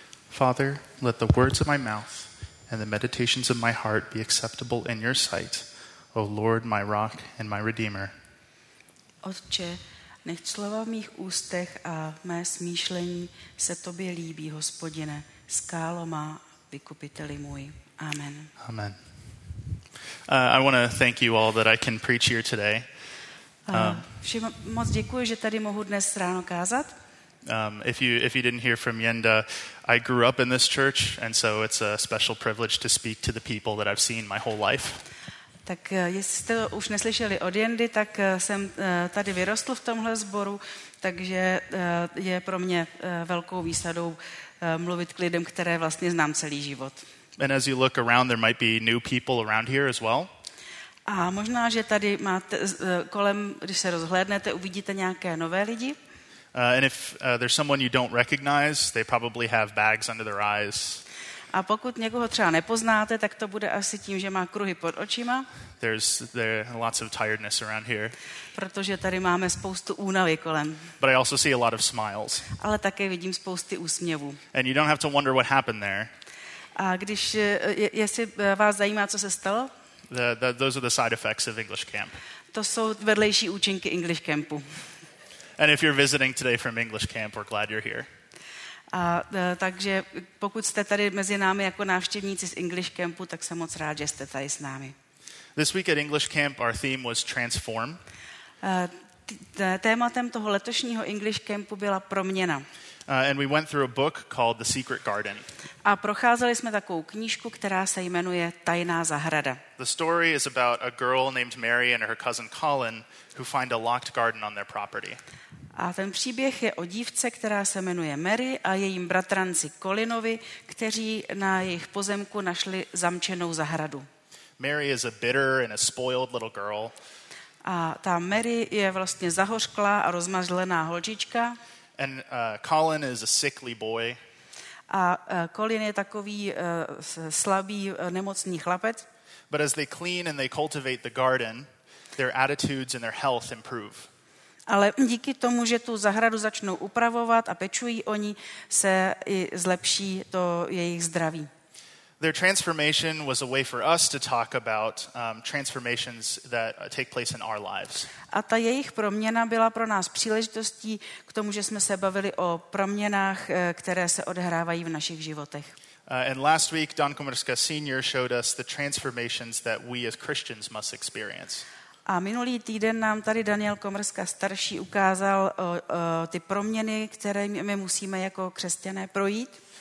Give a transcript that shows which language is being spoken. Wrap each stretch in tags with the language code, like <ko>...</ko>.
<en>Father, let the words of my mouth and the meditations of my heart be acceptable in your sight, O Lord, my rock and my redeemer.</en> <cs>Otče, nech slova v mých ústech a mé smýšlení se tobě líbí, Hospodine, skálo má, vykupiteli můj. Amen. Amen.</cs> <en>I want to thank you all that I can preach here today.</en> <cs>Všem moc děkuji, že tady mohu dnes ráno kázat.</cs> <en>If you didn't hear from Yenda, I grew up in this church, and so it's a special privilege to speak to the people that I've seen my whole life.</en> <cs>Tak jestli jste už neslyšeli od Jendy, tak jsem tady vyrostl v tomhle sboru, takže je pro mě velkou výsadou mluvit k lidem, které vlastně znám celý život.</cs> <en>And as you look around, there might be new people around here as well.</en> <cs>A možná, že tady máte kolem, když se rozhlédnete, uvidíte nějaké nové lidi.</cs> <en>And if there's someone you don't recognize, they probably have bags under their eyes.</en> <cs>A pokud někoho třeba nepoznáte, tak to bude asi tím, že má kruhy pod očima.</cs> <en>There are lots of tiredness around here.</en> <cs>Protože tady máme spoustu únavy kolem.</cs> <en>But I also see a lot of smiles.</en> <cs>Ale také vidím spousty úsměvů.</cs> <en>And you don't have to wonder what happened there.</en> <cs>A když jestli vás zajímá, co se stalo?</cs> <en>Those are the side effects of English camp.</en> <cs>To jsou vedlejší účinky English campu.</cs> <en>And if you're visiting today from English camp, we're glad you're here.</en> <cs>Takže pokud jste tady mezi námi jako návštěvníci z English Campu, tak jsem moc rád, že jste tady s námi.</cs> <en>This week at English Camp our theme was transform.</en> <cs>Tématem toho letošního English Campu byla proměna.</cs> <en>And we went through a book called The Secret Garden.</en> <cs>A procházeli jsme takovou knížku, která se jmenuje Tajná zahrada.</cs> <en>The story is about a girl named Mary and her cousin Colin who find a locked garden on their property.</en> <cs>A ten příběh je o dívce, která se jmenuje Mary, a jejím bratranci Colinovi, kteří na jejich pozemku našli zamčenou zahradu.</cs> <en>Mary is a bitter and a spoiled little girl.</en> <cs>A ta Mary je vlastně zahořklá a rozmazlená holčička.</cs> <en>And Colin is a sickly boy.</en> <cs>A Colin je takový slabý, nemocný chlapec.</cs> <en>But as they clean and they cultivate the garden, their attitudes and their health improve.</en> <cs>Ale díky tomu, že tu zahradu začnou upravovat a pečují o ní, se i zlepší to jejich zdraví.</cs> <en>Their transformation was a way for us to talk about transformations that take place in our lives.</en> <cs>A ta jejich proměna byla pro nás příležitostí k tomu, že jsme se bavili o proměnách, které se odehrávají v našich životech.</cs> <en>And last week Don Komorska Senior showed us the transformations that we as Christians must experience.</en> <cs>A minulý týden nám tady Daniel Komorska starší ukázal ty proměny, které my musíme jako křesťané projít.</cs>